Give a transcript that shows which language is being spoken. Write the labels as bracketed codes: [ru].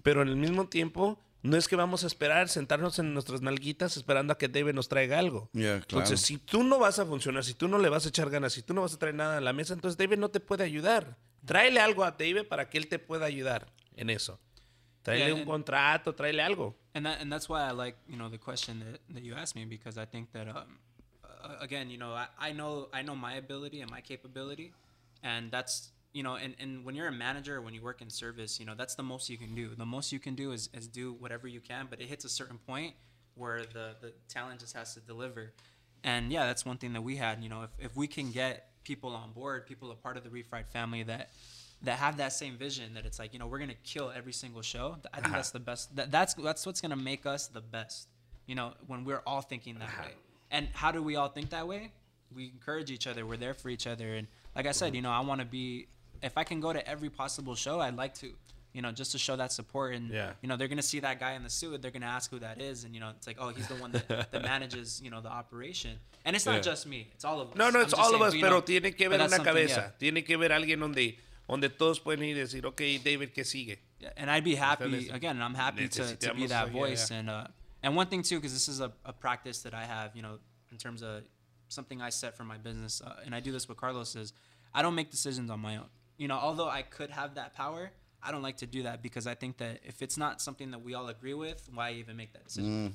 [es] Pero en el mismo tiempo, no es que vamos a esperar, sentarnos en nuestras nalguitas esperando a que David nos traiga algo. Yeah, claro. Entonces, si tú no vas a funcionar, si tú no le vas a echar ganas, si tú no vas a traer nada a la mesa, entonces David no te puede ayudar. Tráele algo a David para que él te pueda ayudar en eso. Tráele un contrato, tráele algo. [en] And that's why I like, you know, the question that you asked me, because I think that, again, you know, I know my ability and my capability, and that's, you know, and when you're a manager, when you work in service, you know, that's the most you can do. The most you can do is do whatever you can, but it hits a certain point where the talent just has to deliver. And yeah, that's one thing that we had, you know, if we can get people on board, people a part of the Refried family that have that same vision, that it's like, you know, we're going to kill every single show. I think uh-huh. that's the best. That's what's going to make us the best, you know, when we're all thinking that uh-huh. way. And how do we all think that way? We encourage each other. We're there for each other. And like I said, you know, I want to be, if I can go to every possible show, I'd like to, you know, just to show that support. And, yeah. you know, they're going to see that guy in the suit. They're going to ask who that is. And, you know, it's like, oh, he's the one that manages, you know, the operation. And it's not yeah. just me. It's all of us. No, it's all of us. [es] Pero tiene que ver una cabeza. Tiene que ver alguien donde... Donde todos pueden ir y decir, okay, David, ¿qué sigue? [en] Yeah, and I'd be happy, again, I'm happy to be that voice. Yeah, yeah. And one thing, too, because this is a practice that I have, you know, in terms of something I set for my business, and I do this with Carlos, is I don't make decisions on my own. You know, although I could have that power, I don't like to do that, because I think that if it's not something that we all agree with, why even make that decision? Mm-hmm.